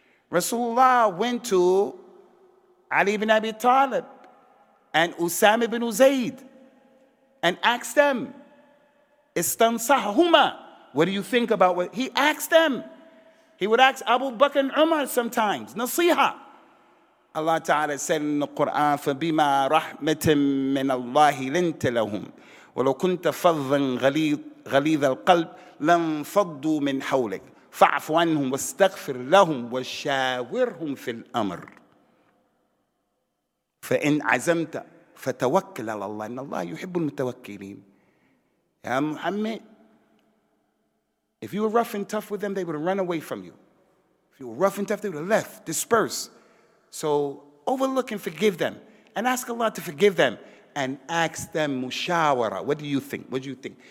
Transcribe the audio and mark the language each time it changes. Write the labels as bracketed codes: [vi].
[en] Rasulullah went to Ali ibn Abi Talib and Usama ibn Zayd and asked them, Istansahuma, what do you think about what he asked them? He would ask Abu Bakr and Umar sometimes, nasiha. [ar] Allah Ta'ala said in the Quran, فَبِمَا رَحْمَةٍ مِّنَ اللَّهِ لِنْتَ لَهُمْ وَلَوْ كُنْتَ فَضًّا غَلِيظَ الْقَلْبِ لَنْ فَضُّوا مِنْ حَوْلِكَ فَاعْفُ عَنْهُمْ وَاسْتَغْفِرْ لَهُمْ وَشَاوِرْهُمْ فِي الْأَمْرِ فَإِنْ عَزَمْتَ فَتَوَكَّلْ عَلَى اللَّهِ إِنَّ اللَّهَ يُحِبُّ الْمُتَوَكِّلِينَ. [en] Ya Muhammad, if you were rough and tough with them, they would have run away from you. If you were rough and tough, they would have left, dispersed. So overlook and forgive them. And ask Allah to forgive them. And ask them, mushawara, what do you think? What do you think?